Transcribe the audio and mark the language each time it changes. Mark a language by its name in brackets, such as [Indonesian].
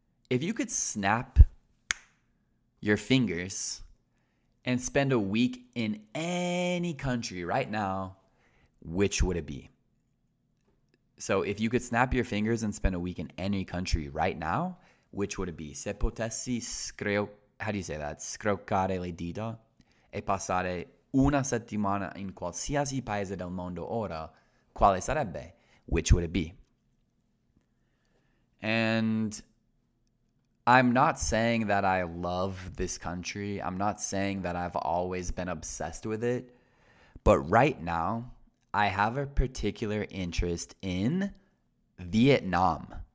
[English] If you could snap your fingers and spend a week in any country right now, which would it be? So if you could snap your fingers and spend a week in any country right now, which would it be? [Italian] Se potessi scroccare le dita e passare una settimana in qualsiasi paese del mondo ora, quale sarebbe? [English] Which would it be? And I'm not saying that I love this country. I'm not saying that I've always been obsessed with it. But right now, I have a particular interest in Vietnam.